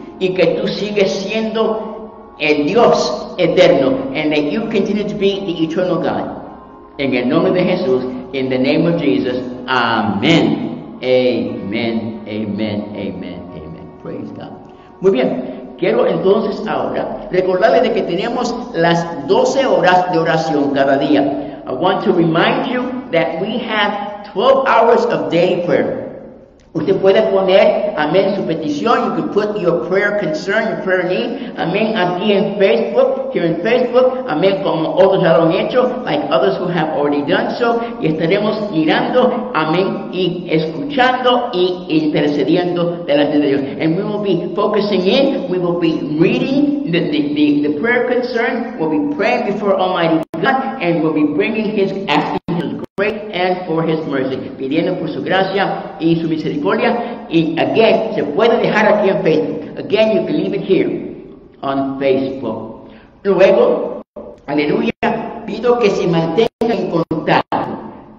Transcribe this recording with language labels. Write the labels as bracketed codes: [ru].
[es] Y que tú sigues siendo el Dios eterno. [en] And that you continue to be the eternal God. [es] En el nombre de Jesús, [en] in the name of Jesus, [es] amen. [en] Amen, amen, amen, amen. Praise God. [es] Muy bien. Quiero entonces ahora recordarles de que tenemos las 12 horas de oración cada día. [en] I want to remind you that we have 12 hours of day prayer. [es] Usted puede poner, amén, su petición. [en] You can put your prayer concern, your prayer need, amén, [es] aquí en Facebook, [en] here in Facebook, [es] amén, como otros ya lo han hecho, [en] like others who have already done so. [es] Y estaremos mirando, amén, y escuchando y intercediendo de las de Dios. [en] And we will be focusing in, we will be reading the prayer concern, we'll be praying before Almighty God, and we'll be bringing His asking. And for His mercy, [es] pidiendo por su gracia y su misericordia. Y [en] again, [es] se puede dejar aquí en Facebook. [en] Again, you can leave it here on Facebook. [es] Luego, aleluya, pido que se mantenga en contacto.